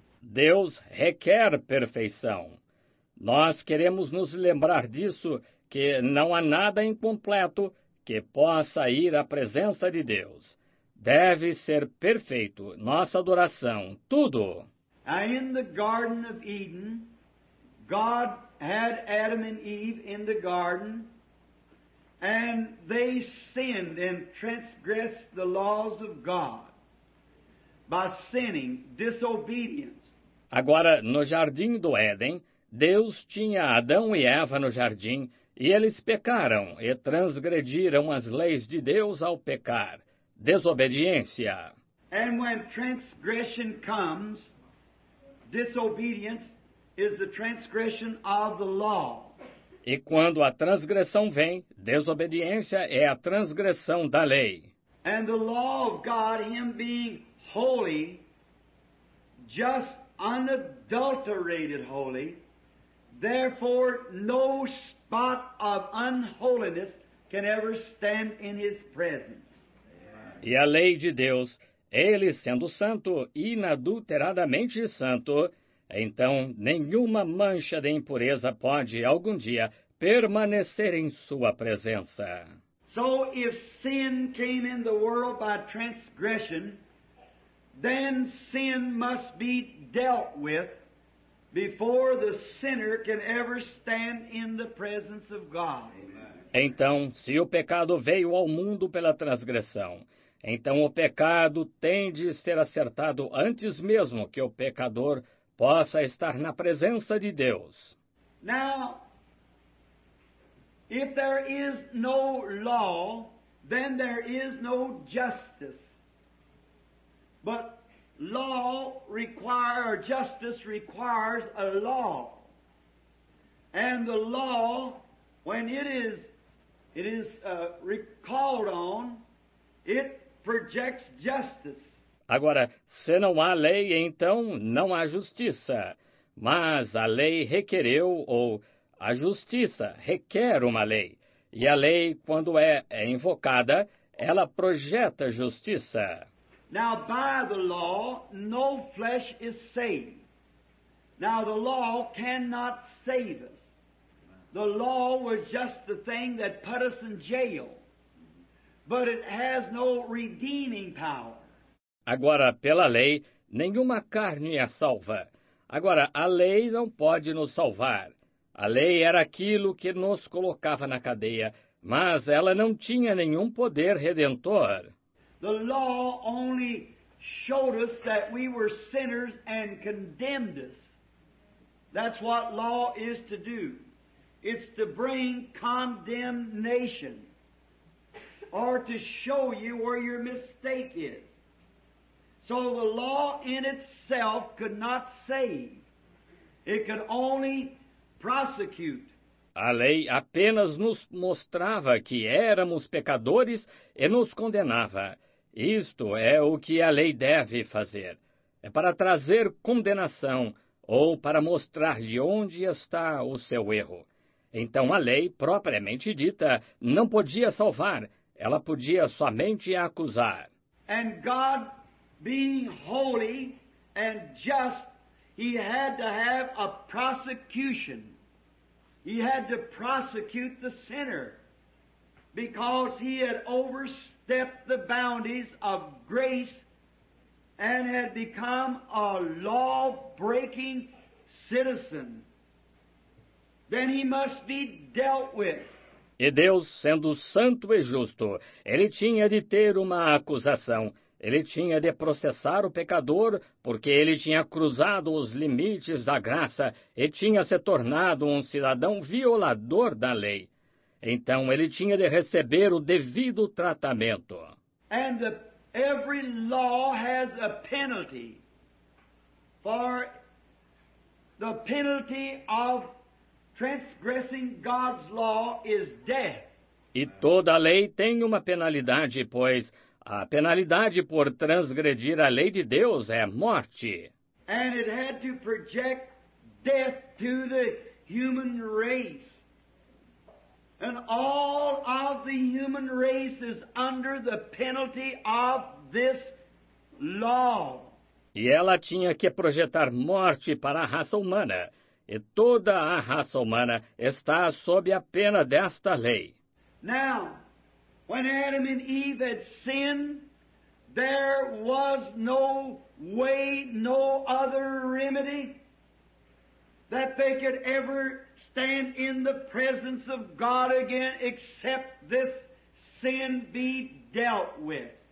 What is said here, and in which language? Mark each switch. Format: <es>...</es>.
<pt>Deus requer perfeição. Nós queremos nos lembrar disso, que não há nada incompleto que possa ir à presença de Deus. Deve ser perfeito, nossa adoração, tudo.</pt> <en>In the Garden of Eden, God had Adam and Eve in the garden, and they sinned and transgressed the laws of God by sinning, disobedience.</en> <pt>Agora, no Jardim do Éden, Deus tinha Adão e Eva no jardim, e eles pecaram e transgrediram as leis de Deus ao pecar. Desobediência.</pt> <en>And when transgression comes, disobedience is the transgression of the law.</en> <pt>E quando a transgressão vem, desobediência é a transgressão da lei.</pt> <en>And the law of God, Him being holy, just unadulterated holy, therefore no spot of unholiness can ever stand in His presence.</en> <pt>E a lei de Deus, Ele sendo santo, inadulteradamente santo, então nenhuma mancha de impureza pode, algum dia, permanecer em sua presença.</pt> <en>So if sin came in the world by transgression, then sin must be dealt with before the sinner can ever stand in the presence of God.</en> <pt>Então, se o pecado veio ao mundo pela transgressão, então o pecado tem de ser acertado antes mesmo que o pecador possa estar na presença de Deus.</pt> <en>Now, if there is no law, then there is no justice. But law requires, justice requires a law. And the law, when it is recalled on, it projects justice.</en> <pt>Agora, se não há lei, então não há justiça. Mas a lei requereu, ou a justiça requer uma lei. E a lei, quando é invocada, ela projeta justiça.</pt> <en>Now, by the law, no flesh is saved. Now, the law cannot save us. The law was just the thing that put us in jail. But it has no redeeming power.</en> <pt>Agora, pela lei, nenhuma carne é salva. Agora, a lei não pode nos salvar. A lei era aquilo que nos colocava na cadeia, mas ela não tinha nenhum poder redentor.</pt> <en>The law only showed us that we were sinners and condemned us. That's what law is to do. It's to bring condemnation or to show you where your mistake is. So the law in itself could not save. It could only prosecute.</en> <pt>A lei apenas nos mostrava que éramos pecadores e nos condenava. Isto é o que a lei deve fazer. É para trazer condenação ou para mostrar-lhe onde está o seu erro. Então a lei, propriamente dita, não podia salvar. Ela podia somente acusar.</pt> <en>And God, being holy and just, he had to have a prosecution. He had to prosecute the sinner because he had overstepped the boundaries of grace and had become a law-breaking citizen. Then he must be dealt with.</en> <pt>E Deus, sendo santo e justo, ele tinha de ter uma acusação. Ele tinha de processar o pecador porque ele tinha cruzado os limites da graça e tinha se tornado um cidadão violador da lei. Então ele tinha de receber o devido tratamento.</pt> <en>And every law has a penalty. For the penalty of transgressing God's law is death.</en> <pt>E toda lei tem uma penalidade, pois a penalidade por transgredir a lei de Deus é morte.</pt> <en>And it had to project death to the human race. And all of the human race is under the penalty of this law.</en> <pt>E ela tinha que projetar morte para a raça humana. E toda a raça humana está sob a pena desta lei.</pt> <en>Now, when Adam and Eve had sinned, there was no way, no other remedy that they could ever stand in the presence of God again except this sin be dealt with.</en>